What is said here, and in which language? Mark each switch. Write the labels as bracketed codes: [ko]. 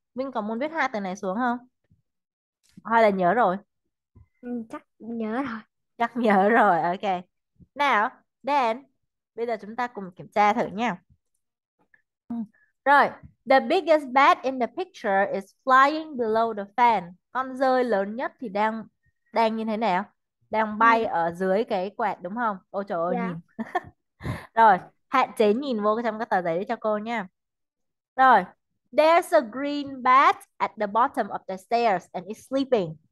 [vi] Mình có muốn viết hai từ này xuống không? Hay là nhớ rồi? Chắc nhớ rồi. Chắc nhớ rồi, okay. [en] Now, then, [vi] bây giờ chúng ta cùng kiểm tra thử nha. Rồi, [en] the biggest bat in the picture is flying below the fan. [vi] Con dơi lớn nhất thì đang đang như thế nào? Đang bay ở dưới cái quạt đúng không? Ôi trời ơi Dạ. nhìn. Rồi, hạn chế nhìn vô trong cái tờ giấy đấy cho cô nha. Rồi, [en] there's a green bat at the bottom of the stairs and it's sleeping.